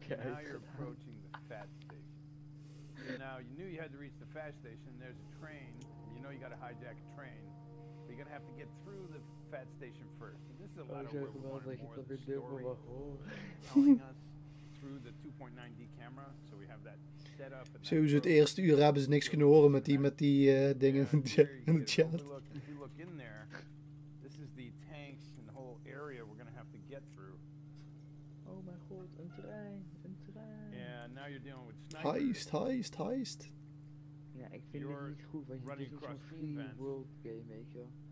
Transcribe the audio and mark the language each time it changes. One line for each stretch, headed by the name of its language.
English: Now you're approaching the Fett Station. So now you knew you had to reach the Fett Station. And there's a train. You know you got to hijack a train. But you're going to have to get through the Fett Station first. And this is a lot of where we wanted more of the story telling us. Through the 2.9D camera, so we have that set up.
Dutch: Zo is het eerste uur hebben ze niks kunnen horen met die dingen in de chat.
English: If you look in there, this is the tanks and the whole area we're going to have to get through. Oh my god,
Dutch: een trein, een trein.
English: And now you're dealing with snipers. Heist.
Dutch: Ja, ik vind het niet goed, want je doet zo'n free world game, weet je.